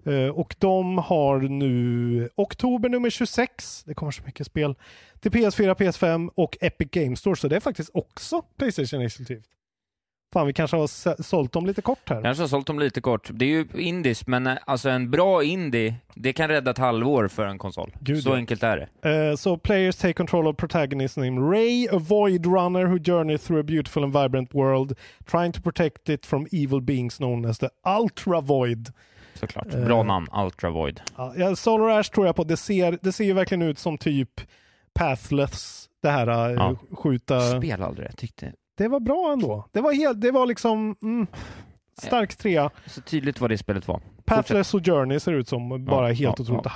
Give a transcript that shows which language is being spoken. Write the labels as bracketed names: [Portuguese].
[Swedish] Och de har nu oktober nummer 26, det kommer så mycket spel, till PS4, PS5 och Epic Games Store, så det är faktiskt också PlayStation exklusivt. Fan, vi kanske har sålt dem lite kort här. Kanske har sålt dem lite kort. Det är ju indies, men alltså en bra indie, det kan rädda ett halvår för en konsol. Gud, så enkelt är det. [English] So players take control of protagonist named Ray, a void runner who journeys through a beautiful and vibrant world, trying to protect it from evil beings known as the Ultra Void. [Swedish] Såklart. Bra namn, Ultra Void. Ja, Solar Ash tror jag på. Det ser ju verkligen ut som typ Pathless, det här skjuta... Spel aldrig, jag tyckte. Det var bra ändå. Det var liksom stark trea. Så tydligt vad det spelet var. Pathless och Journey ser ut som bara helt otroligt.